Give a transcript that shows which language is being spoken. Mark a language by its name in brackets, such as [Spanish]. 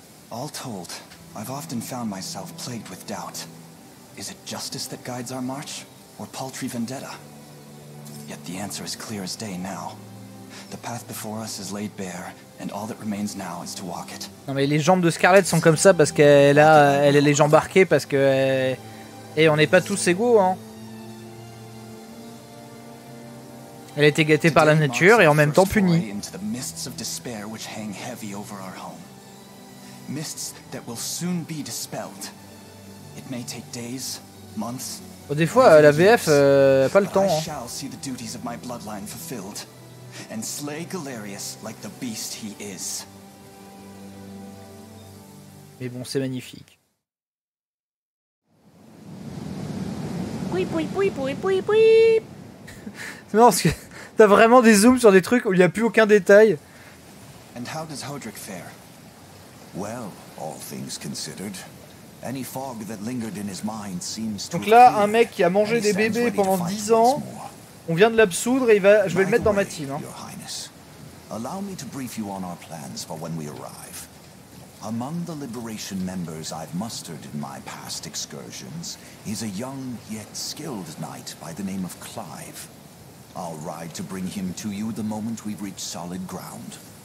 [English] All told, I've often found myself plagued with doubt. Is it justice that guides our march, or paltry vendetta? Yet the answer is clear as day now. The path before us is laid bare. And all that remains now is to walk it. [French] Non mais les jambes de Scarlett sont comme ça parce qu'elle a, elle a les jambes arquées parce que, et on n'est pas tous égaux, hein. Elle a été gâtée par la nature et en même temps punie. [English] Into the mists of despair which hang heavy over our home. Mists that will soon be dispelled. It may take days, months. [French] Des fois la VF a pas le temps. [English] Hein. I shall see the duties of my bloodline fulfilled. And slay Galerius like the beast he is. [French] Mais bon, c'est magnifique. Oui, oui, oui, oui, oui, oui. C'est marrant parce que t'as vraiment des zooms sur des trucs où il n'y a plus aucun détail. [English] And how does Hodrick fare? Well, all things considered, any fog that lingered in his mind seems to. [French] Donc là, un mec qui a mangé des bébés pendant 10 ans. On vient de l'absoudre et je vais le mettre dans ma team. [English] Hein. Your Highness, allow me to brief you on our plans for when we arrive. Among the liberation members I've mustered in my past excursions is a young yet skilled knight by the name of Clive. I'll ride to bring him to you the moment we've reached solid ground.